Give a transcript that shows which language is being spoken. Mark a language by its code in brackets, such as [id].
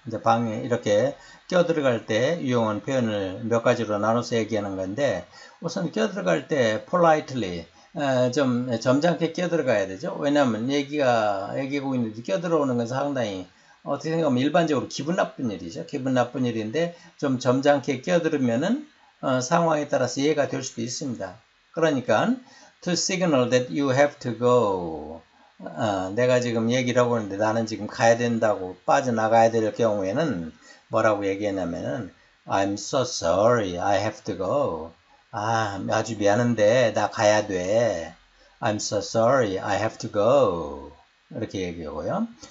[ko] 이제 방에 이렇게 끼어들어갈 때 유용한 표현을 몇 가지로 나눠서 얘기하는 건데, 우선 끼어들어갈 때 politely, 좀 점잖게 끼어들어가야 되죠. 왜냐하면 얘기하고 있는데 끼어들어오는 건 상당히 어떻게 생각하면 일반적으로 기분 나쁜 일이죠. 기분 나쁜 일인데 좀 점잖게 끼어들으면은 상황에 따라서 이해가 될 수도 있습니다. 그러니까 [en] to signal that you have to go. [ko] 내가 지금 얘기를 하고 있는데 나는 지금 가야 된다고 빠져나가야 될 경우에는 뭐라고 얘기했냐면은 [en] I'm so sorry. I have to go. [ko] 아, 아주 미안한데 나 가야 돼. [en] I'm so sorry. I have to go. [ko] 이렇게 얘기하고요.